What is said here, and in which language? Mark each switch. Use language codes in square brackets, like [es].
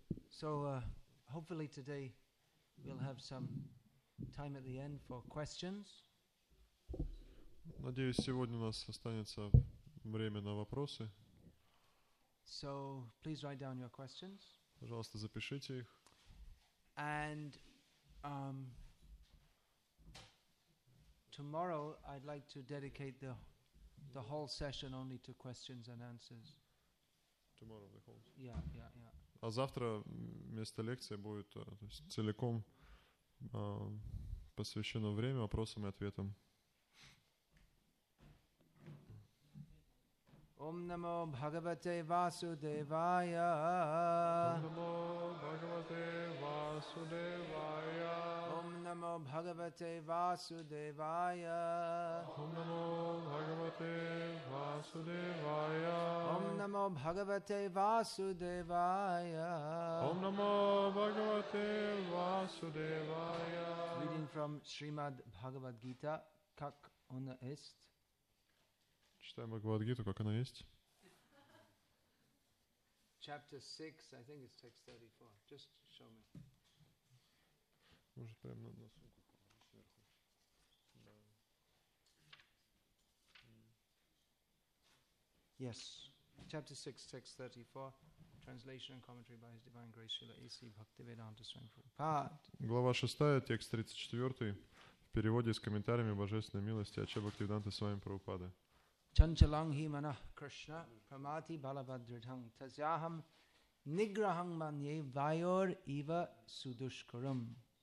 [en] So hopefully today we'll have some time at the end for questions. [ru] Надеюсь, сегодня у нас останется время на вопросы. [en] So please write down your questions. [ru] Пожалуйста, запишите их. [en] And tomorrow I'd like to dedicate the whole session only to questions and answers. Tomorrow the whole. Yeah. [ru] А завтра вместо лекции будет то есть целиком посвящено время вопросам и ответам. [sa] Om namo Bhagavate Vasudevaya. Om namo Bhagavate Vasudevaya. Om namo Bhagavate Vasudevaya. Om namo Bhagavate Vasudevaya. Om namo Bhagavate Vasudevaya. Om namo Bhagavate Vasudevaya. [en] Reading from Srimad Bhagavad Gita, [ru] как она есть. Читаем Бхагавад-гиту, как она есть. [en] Chapter 6, I think it's text 34. Just show me. [ru] Может, прямо на сумку сверху. [en] Yes. Chapter 6, text 34. Translation and commentary by His Divine Grace Srila A.C. Bhaktivedanta Swami Prabhupada. [ru] Глава 6, текст 34. В переводе с комментариями Божественной милости Ача Бхактивиданта Свами Прабхупады. [sa] Chanchalanghi manah krishna pramati balabhadritang tasyaham nigrahang manye vayor eva sudushkaram.